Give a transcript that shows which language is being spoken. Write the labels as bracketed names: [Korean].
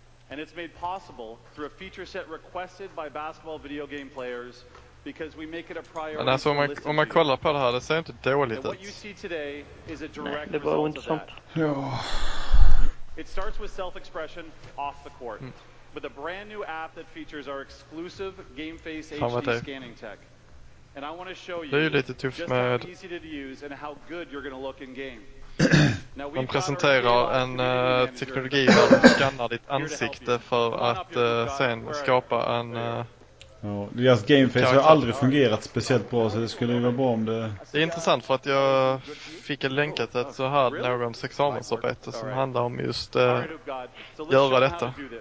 [English] And it's made possible through a feature set requested by basketball video game players. Because we make it a priority. [Swedish] Men alltså om man kollar på det här, det ser inte dåligt ut. Nej, det var intressant. Ja. [English] It starts with self-expression off the court. With a brand new app that features our exclusive game face HD scanning tech. And I want to show you just how easy to use and how good you're going to look in game. [Swedish] De presenterar en teknologi där du skannar ditt ansikte för att sen skapa en... Ja, deras gameface har aldrig fungerat speciellt bra, så det skulle ju vara bra om det... Det är intressant för att jag fick en länk till ett så här någons examensarbete som handlar om just göra detta.